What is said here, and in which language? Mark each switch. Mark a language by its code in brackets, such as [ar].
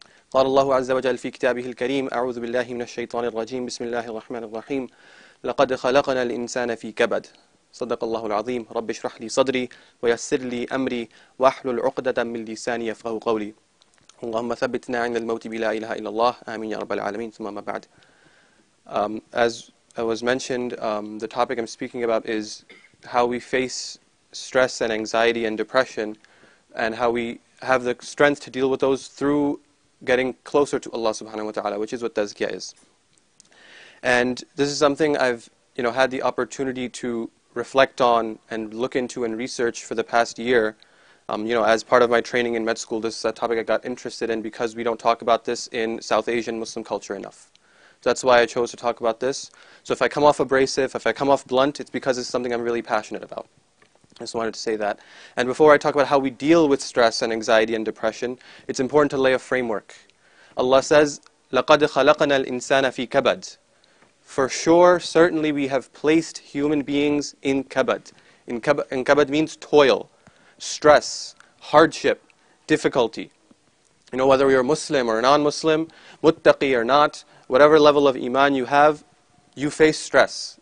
[ar] قال الله عز وجل في كتابه الكريم: أعوذ بالله من الشيطان الرجيم، بسم الله الرحمن الرحيم، لقد خلقنا الإنسان في كبد. صدق الله العظيم. رب اشرح لي صدري ويسر لي أمري واحلل عقدة من لساني يفقه قولي. اللهم ثبتنا عند الموت بلا إله إلا الله، آمين يا رب العالمين. ثم ما بعد. [en] As I was mentioned, the topic I'm speaking about is how we face stress and anxiety and depression, and how we have the strength to deal with those through getting closer to Allah subhanahu wa ta'ala, which is what Tazkiya is. And this is something I've, you know, had the opportunity to reflect on and look into and research for the past year. You know, as part of my training in med school, this is a topic I got interested in, because we don't talk about this in South Asian Muslim culture enough. So that's why I chose to talk about this. So if I come off abrasive, if I come off blunt, it's because it's something I'm really passionate about. I just wanted to say that. And before I talk about how we deal with stress and anxiety and depression, it's important to lay a framework. Allah says, [ar] لَقَدْ خَلَقَنَا الْإِنسَانَ فِي كَبَدْ. [en] For sure, certainly we have placed human beings in kabad. In kabad means toil, stress, hardship, difficulty. You know, whether you're Muslim or non-Muslim, muttaqi or not, whatever level of iman you have, you face stress.